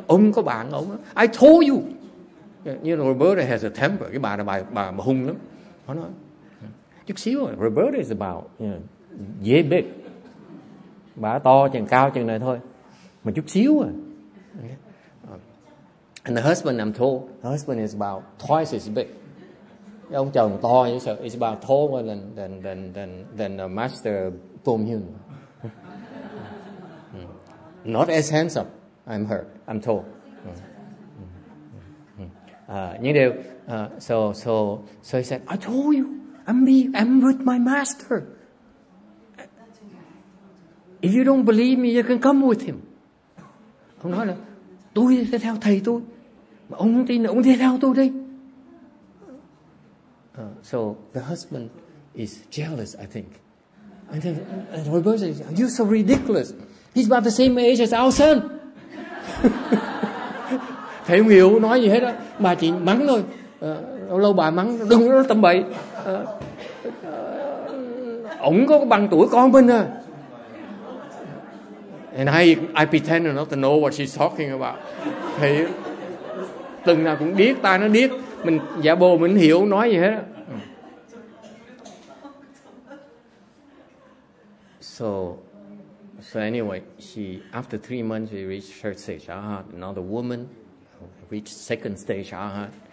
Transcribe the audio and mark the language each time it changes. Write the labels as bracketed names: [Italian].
[Vietnamese] Ông có bạn ông. [English] I told you. You know, Roberta has a temper. [Vietnamese] Cái bà hung lắm. Nó nói chút xíu. [English] Roberta is about, you know, yeah, big. [Vietnamese] Bà to chừng cao chừng này thôi, mà chút xíu à. [English] And the husband, I'm told, the husband is about twice as big. [Vietnamese] Ông chồng to như sợ. [English] It's about taller than the master Tom Hume. Not as handsome, I'm heard, I'm told. [Vietnamese] Nhưng đều, [English] so he said, I told you, I'm with my master. If you don't believe me, you can come with him. [Vietnamese] Ông nói là, tôi sẽ theo thầy tôi. Mà ông không tin, ông đi theo tôi đi. [English] So the husband is jealous, I think. And then Roberto says, you're so ridiculous. He's about the same age as our son. [Vietnamese] Thầy không hiểu nói gì hết á. Bà chỉ mắng thôi. Lâu bà mắng, đừng nói tầm bậy. Ông có bằng tuổi con mình à. [English] And I pretend not to know what she's talking about. [Vietnamese] Thầy từng nào cũng điếc, tai nó điếc. Mình giả bộ mình hiểu nói gì hết á. [English] So anyway, she after 3 months, she reached third stage Arhat. Another woman reached second stage Arhat.